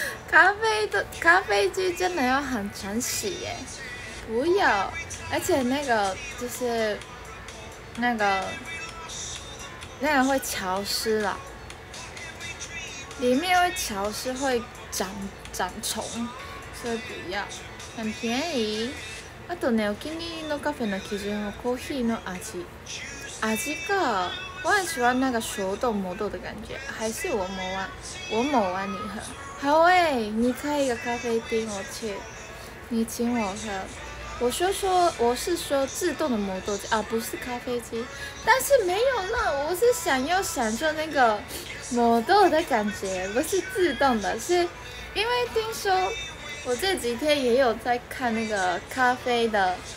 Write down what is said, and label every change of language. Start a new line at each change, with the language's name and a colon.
Chinese: 咖啡的咖啡机真的要很常洗耶，不要，而且那个就是那个那个会潮湿啦，里面会潮湿，会长虫，所以不要。很便宜。
Japanese: あとね、お気に入りのカフェの基準はコーヒーの味。味か。
Chinese: 我很喜欢那个手动磨豆的感觉，还是我磨完，我磨完你喝。好诶，你开一个咖啡厅，我去，你请我喝。我说说，我是说自动的磨豆机啊，不是咖啡机。但是没有那，我是想要享受那个磨豆的感觉，不是自动的，是因为听说我这几天也有在看那个咖啡的。